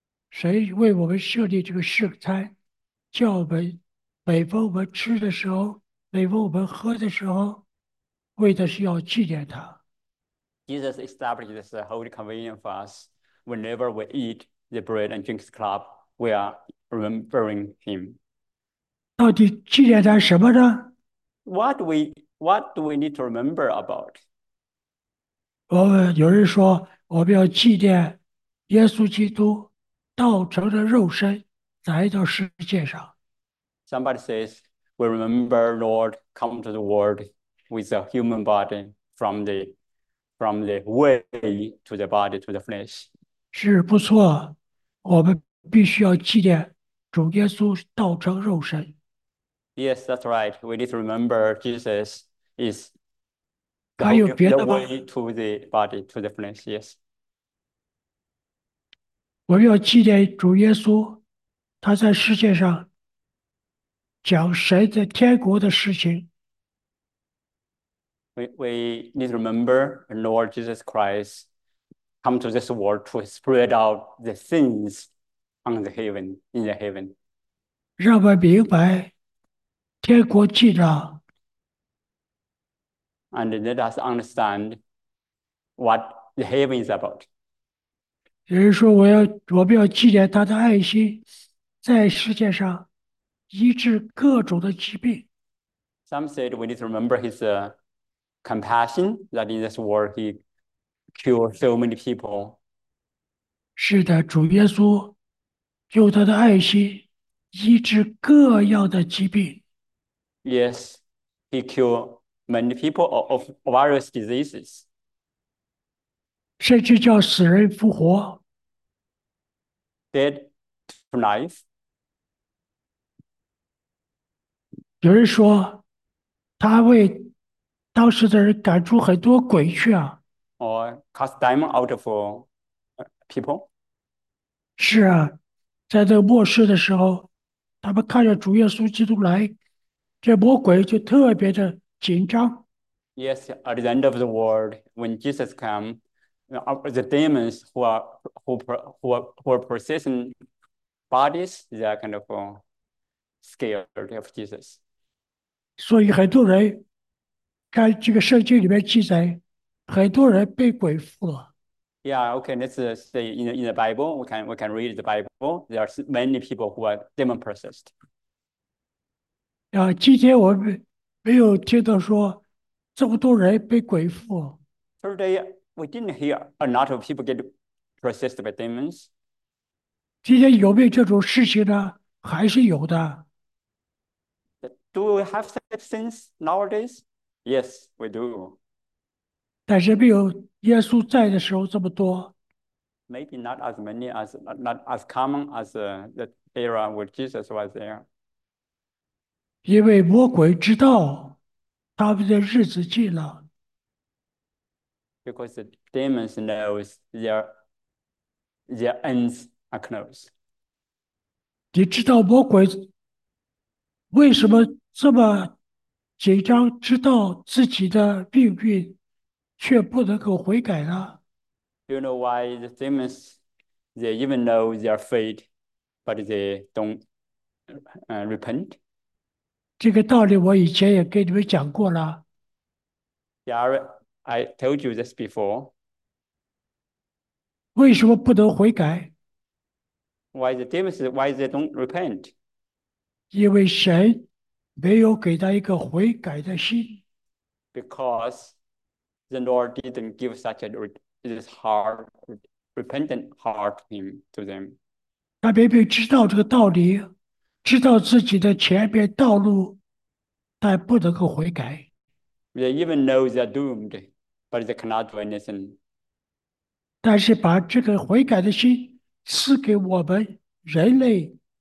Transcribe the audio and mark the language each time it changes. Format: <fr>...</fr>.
<zh>神为我们设立这个圣餐，叫我们每逢我们吃的时候，每逢我们喝的时候，为的是要纪念他。</zh> <en>Jesus established this holy communion for us. Whenever we eat the bread and drink the cup, we are remembering him.</en> <zh>到底纪念他什么呢？</zh> <en>What do we need to remember about?</en> <zh>有人说，我们要纪念耶稣基督道成的肉身来到世界上。</zh> <en>Somebody says, we remember Lord come to the world with a human body from the way to the body to the flesh.</en> <zh>是不错，我们必须要纪念主耶稣道成肉身。</zh> <en>Yes, that's right. We need to remember Jesus is</en> <zh>还有别</zh> <en>the</en> <zh>的吗？</zh> <en>way to the body to the flesh. Yes.</en> <zh>我们要纪念主耶稣，他在世界上讲神在天国的事情。</zh> <en>We need to remember Lord Jesus Christ come to this world to spread out the things on the heaven, in the heaven.</en> <zh>让我们明白天国纪章。</zh> <en>And let us understand what the heaven is about.</en> <zh>有人说我们要纪念他的爱心，在世界上医治各种的疾病。</zh> <en>Some said we need to remember his compassion that in this world he cured so many people.</en> <zh>是的，主耶稣用他的爱心医治各样的疾病。</zh> <en>Yes, he cured many people of various diseases.</en> <zh>甚至叫死人复活。</zh> <en>Dead to life.</en> <zh>有人说，他为当时的人赶出很多鬼去啊。</zh> <en>Or cast diamond out of people.</en> <zh>是啊，在这末世的时候，他们看着主耶稣基督来，这魔鬼就特别的紧张。</zh> <en>Yes, at the end of the world, when Jesus come, the demons who are possessing bodies, they are kind of scared of Jesus.</en> <zh>所以很多人，看这个圣经里面记载，很多人被鬼附了。</zh> <en>Yeah, okay. Let's say in the Bible, we can read the Bible. There are many people who are demon possessed.</en> <zh>啊，今天我们没有听到说这么多人被鬼附。</zh> <en>Today we didn't hear a lot of people get possessed by demons.</en> <zh>今天有没有这种事情呢？还是有的。</zh> <en>Do we have such things nowadays? Yes, we do.</en> <zh>但是没有耶稣在的时候这么多。</zh> <en>Maybe not as many as not as common as the era where Jesus was there.</en> <zh>因为魔鬼知道他们的日子近了。</zh> <en>Because the demons knows their ends are close.</en> <zh>你知道魔鬼为什么这么紧张，知道自己的命运？却不能够悔改了。</zh> <en>You know why the demons, they even know their fate, but they don't repent?</en> <zh>这个道理我以前也给你们讲过了。</zh> <en>Yeah, I told you this before.</en> <zh>为什么不能悔改？</zh> <en>Why they don't repent?</en> <zh>因为神没有给他一个悔改的心。</zh> <en>Because the Lord didn't give such a this hard, repentant heart to them.</en> <zh>他明明知道这个道理，知道自己的前面道路，但不能够悔改。</zh> <en>They even know they're doomed, but they cannot do anything.</en> <zh>但是把这个悔改的心赐给我们人类。</zh>